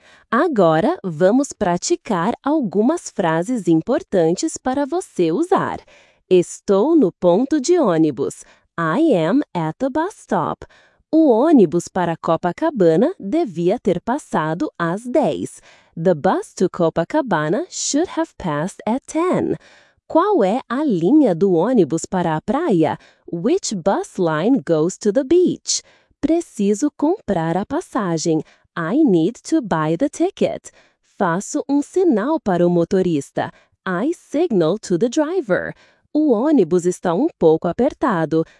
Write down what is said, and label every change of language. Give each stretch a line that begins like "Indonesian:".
Portuguese: Agora, vamos praticar algumas frases importantes para você usar. Estou no ponto de ônibus.
English: I am at the bus stop.
Portuguese: O ônibus para Copacabana devia ter passado às 10.
English: The bus to Copacabana should have passed at 10.
Portuguese: Qual é a linha do ônibus para a praia?
English: Which bus line goes to the beach?
Portuguese: Preciso comprar a passagem.
English: I need to buy the ticket.
Portuguese: Faço sinal para o motorista.
English: I signal to the driver.
Portuguese: O ônibus está pouco apertado.